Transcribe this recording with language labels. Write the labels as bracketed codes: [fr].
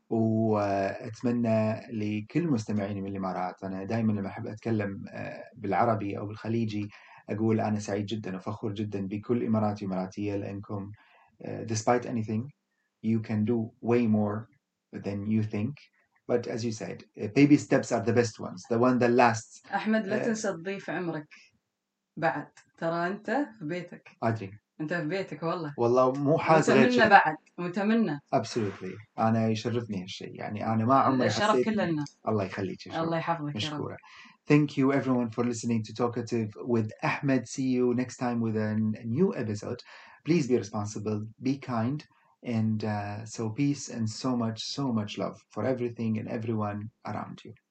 [ar] وأتمنى لكل مستمعيني من الإمارات. أنا دائما لما أحب أتكلم بالعربي أو بالخليجي أقول أنا سعيد جدا وفخور جدا بكل إماراتي وإماراتية, لأنكم [en] despite anything you can do way more than you [ar] think. [en] But as you said, baby steps are the best ones, the one that lasts. [ar] أحمد لا تنسى تضيف عمرك بعد ترى أنت في بيتك أدري أنت في بيتك والله والله مو حاس غير متمنى شيء. بعد متمنى [en] Absolutely. [ar] أنا يشرفني هالشيء يعني أنا ما عمري الشرف حسيت كلنا الله يخليك يا شباب الله يحفظك يا رب مشكورة. [en] Thank you everyone for listening to Talkative with Ahmed. See you next time with a new episode. Please be responsible, be kind, and so peace and so much love for everything and everyone around you.